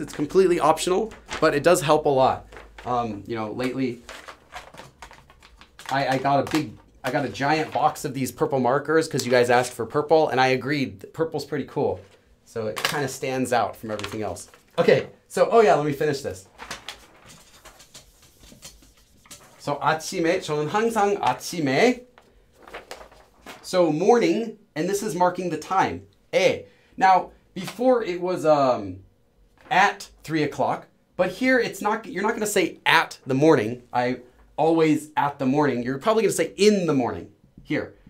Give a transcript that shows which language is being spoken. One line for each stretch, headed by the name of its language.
English: It's completely optional, but it does help a lot. Lately, I got a giant box of these purple markers because you guys asked for purple, and I agreed. Purple's pretty cool. So it kind of stands out from everything else. Okay, so, oh yeah, let me finish this.
Korean: So 아침에, 저는 항상 아침에.
English: So morning, and this is marking the time. A. Now, before it was at 3 o'clock, but here it's not, you're not gonna say at the morning. I always at the morning. You're probably gonna say in the morning here.